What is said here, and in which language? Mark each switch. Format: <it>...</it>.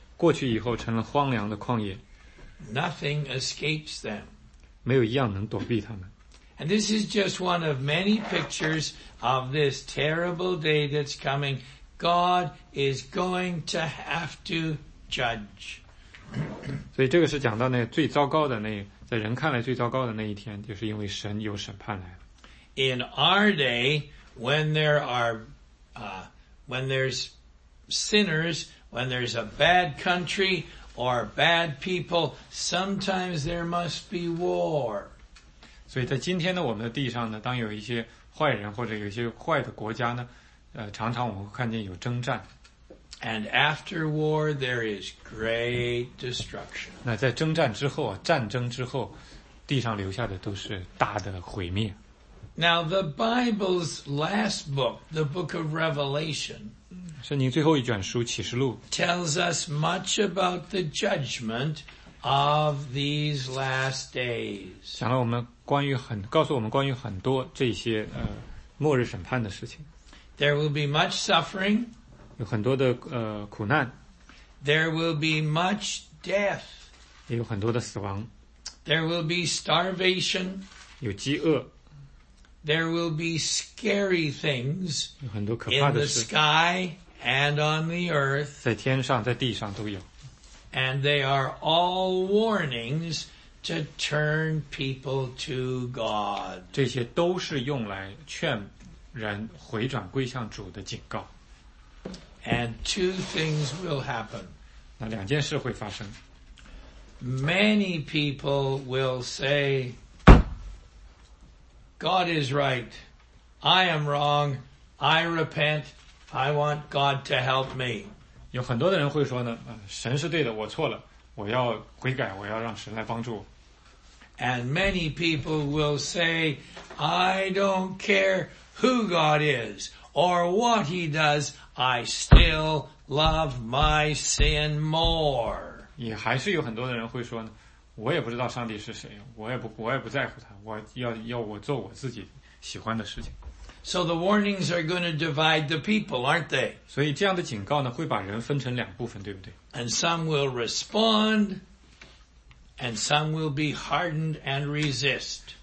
<zh>过去以后，成了荒凉的旷野。</zh> <en>Nothing escapes them.</en> <zh>没有一样能躲避他们。</zh> <en>And this is just one of many pictures of this terrible day that's coming. God is going to have to judge.</en> <zh>所以这个是讲到那最糟糕的那。在人看来最糟糕的那一天，就是因为神有审判来了。</zh> <en>In our day, when there are, when there's sinners, when there's a bad country or bad people, sometimes there must be war.</en> <zh>所以在今天的我们的地上呢，当有一些坏人或者有一些坏的国家呢，常常我们会看见有征战。</zh> <en>And after war, there is great destruction.</en> <zh>那在征战之后，战争之后，地上留下的都是大的毁灭。</zh> <en>Now the Bible's last book, the Book of Revelation,</en> <zh>圣经最后一卷书《启示录》</zh> <en>tells us much about the judgment of these last days.</en> <zh>讲了我们关于很，告诉我们关于很多这些末日审判的事情。</zh> <en>There will be much suffering.</en> <zh>有很多的苦难。</zh> <en>There will be much death.</en> <zh>也有很多的死亡。</zh> <en>There will be starvation.</en> <zh>有饥饿。</zh> <en>There will be scary things.</en> <zh>有很多可怕的事。</zh> <en>In the sky and on the earth.</en> <zh>在天上在地上都有。</zh> <en>And they are all warnings to turn people to God.</en> <zh>这些都是用来劝人回转归向主的警告。</zh> <en>And two things will happen.</en> <zh>那两件事会发生。</zh> <en>Many people will say, God is right. I am wrong. I repent. I want God to help me.</en> <zh>有很多的人会说呢，神是对的，我错了，我要悔改，我要让神来帮助我。</zh> <en>And many people will say, I don't care who God is or what he does, I still love my sin more.</en> <zh>也还是有很多的人会说呢，我也不知道上帝是谁，我也不在乎他，我要我做我自己喜欢的事情。</zh> <en>So the warnings are going to divide the people, aren't they?</en> <zh>所以这样的警告呢，会把人分成两部分，对不对？</zh> <en>And some will respond, and some will be hardened and resist.</en>